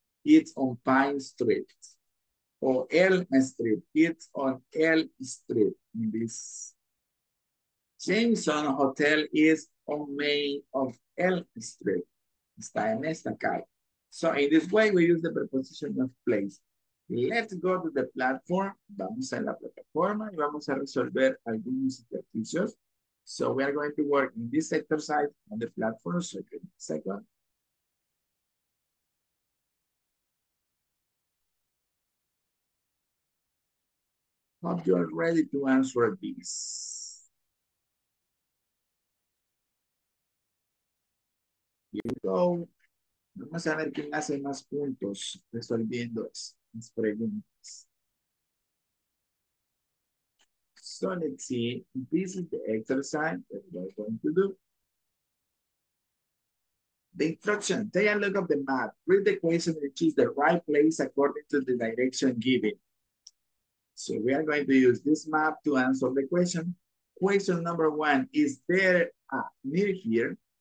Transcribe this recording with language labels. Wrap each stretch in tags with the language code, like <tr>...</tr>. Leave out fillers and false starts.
<en>It's on Pine Street or Elm Street. It's on Elm Street in this. Jameson Hotel is on Main of Elm Street.</en> <es>Está en esta calle.</es> <en>So in this way, we use the preposition of place. Let's go to the platform.</en> <es>Vamos a la plataforma y vamos a resolver algunos ejercicios.</es> <en>So we are going to work in this exercise on the platform. So give me a second. Hope you are ready to answer this. Here we go.</en> <es>Vamos a ver quién hace más puntos resolviendo las preguntas.</es> <en>So let's see. This is the exercise that we are going to do. The instruction. Take a look at the map. Read the question and choose the right place according to the direction given. So we are going to use this map to answer the question. Question number one, is there a near here?</en>